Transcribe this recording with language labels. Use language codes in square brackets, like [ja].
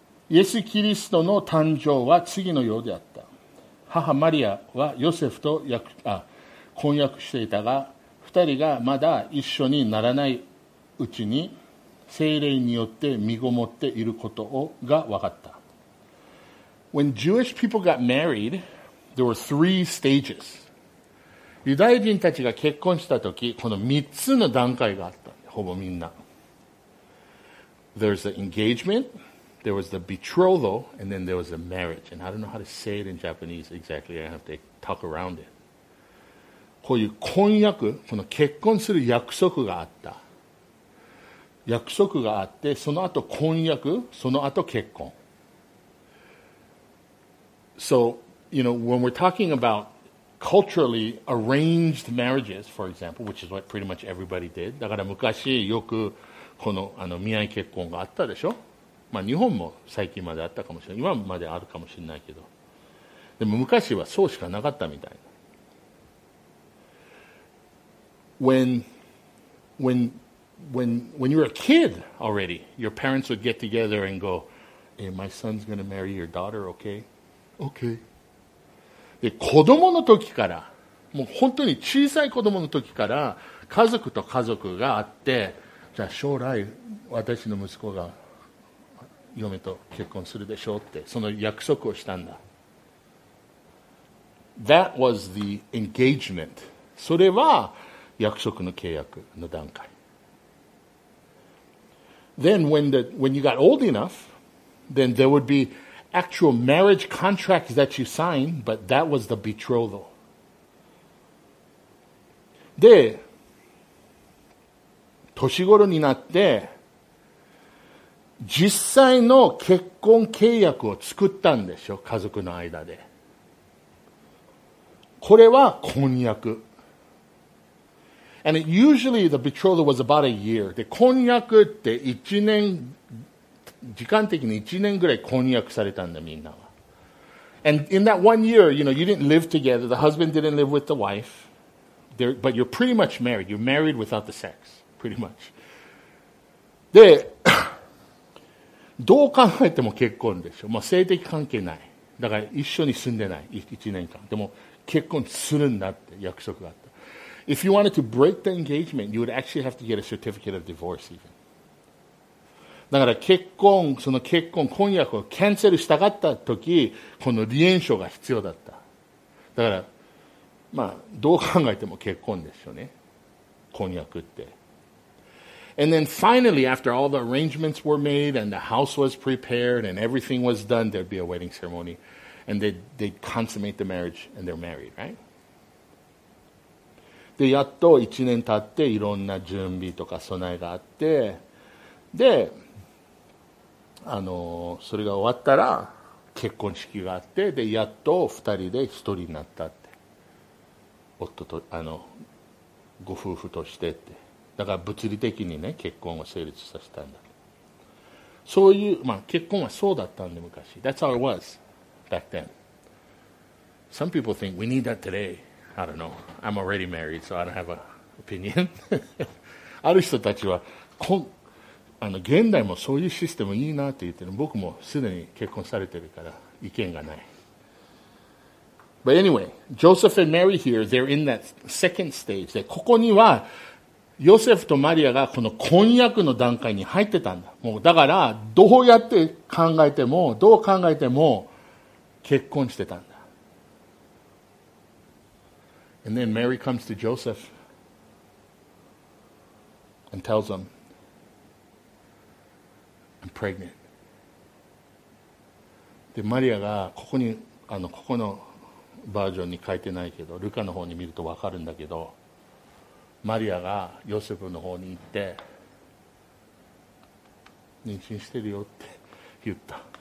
[ja] イエス・キリストの誕生は次のようであった。母マリアはヨセフと婚約していたが、二人がまだ一緒にならないうちに聖霊によって身ごもっていることが分かった。 [en] When Jewish people got married, there were three stages. [ja] ユダヤ人たちが結婚したとき、この三つの段階があった。ほぼみんな。 [en] There's the engagement, there was the betrothal, and then there was the marriage. And I don't know how to say it in Japanese exactly. I have to talk around it. [ja] こういう婚約、この結婚する約束があった。約束があって、その後婚約、その後結婚。 [en] So, you know, when we're talking about culturally arranged marriages, for example, which is what pretty much everybody did. [ja] だから昔よくこの、見合い結婚があったでしょ。まあ日本も最近まであったかもしれない。今まであるかもしれないけど。でも昔はそうしかなかったみたいな。 [en] When you were a kid already, your parents would get together and go, hey, my son's going to marry your daughter, okay? Okay. [ja] で、子供の時から、もう本当に小さい子供の時から、家族と家族があって、じゃあ将来、私の息子が嫁と結婚するでしょうって、その約束をしたんだ。 [en] That was the engagement. [ja] それは約束の契約の段階。 [en] Then when you got old enough, then there would be actual marriage contracts that you signed, but that was the betrothal. [ja] で、年頃になって、実際の結婚契約を作ったんでしょ、家族の間で。これは婚約。 [en] And usually the betrothal was about a year. [ja] で、婚約って一年、時間的に一年ぐらい婚約されたんだ、みんなは。 [en] And in that one year, you know, you didn't live together. The husband didn't live with the wife. There, but you're pretty much married. You're married without the sex. Pretty much. [ja] で、どう考えても結婚でしょ。まあ、性的関係ない。だから一緒に住んでない。一年間。でも、結婚するんだって約束があった。 [en] If you wanted to break the engagement, you would actually have to get a certificate of divorce even. [ja] だから結婚、その結婚、婚約をキャンセルしたかったとき、この離縁書が必要だった。だから、まあ、どう考えても結婚ですよね。婚約って。 [en] And then finally, after all the arrangements were made and the house was prepared and everything was done, there'd be a wedding ceremony. And they'd consummate the marriage and they're married, right? [ja] で、やっと一年経って、いろんな準備とか備えがあって、で、それが終わったら、結婚式があって、で、やっと二人で一人になったって。夫と、ご夫婦としてって。だから物理的にね、結婚を成立させたんだ。そういう、まあ、結婚はそうだったんで、昔。 [en] That's how it was, back then. Some people think, we need that today. I don't know. I'm already married, so I don't have an opinion. [ja] ある人たちは、現代もそういうシステムいいなって言ってる。僕もすでに結婚されてるから意見がない。 [en] But anyway, Joseph and Mary here, they're in that second stage. [ja] ここには、ヨセフとマリアがこの婚約の段階に入ってたんだ。もうだから、どうやって考えても、どう考えても結婚してたんだ。 [en] And then Mary comes to Joseph and tells him, I'm pregnant. [ja] で、マリアがここに、ここのバージョンに書いてないけど、ルカの方に見ると分かるんだけど、マリアがヨセフの方に行って、妊娠してるよって言った。